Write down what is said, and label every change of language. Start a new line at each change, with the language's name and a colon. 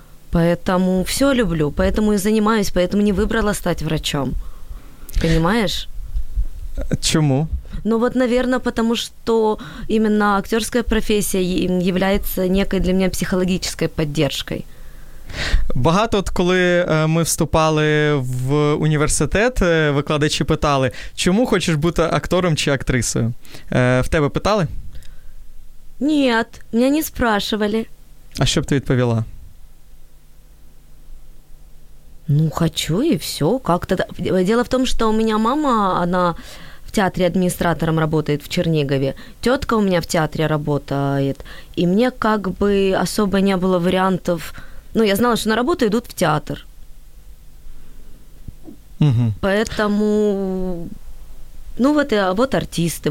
Russian: Поэтому все люблю, поэтому и занимаюсь, поэтому не выбрала стать врачом. Понимаешь?
Ukrainian: Чому?
Russian: Ну, вот, наверное, потому что именно актерская профессия является некой для меня психологической поддержкой.
Ukrainian: Багато от коли ми вступали в університет, викладачі питали, чому хочеш бути актором чи актрисою? В тебе питали? Ні, мене не спрашували. А що б ти відповіла? Ну, хочу і все. Как-то... Діло в тому, що у мене мама, вона...
Russian: в театре администратором работает в Чернигове. Тетка у меня в театре работает. И мне как бы особо не было вариантов... Ну, я знала, что на работу идут в театр. Угу. Поэтому... Ну, вот, вот артисты.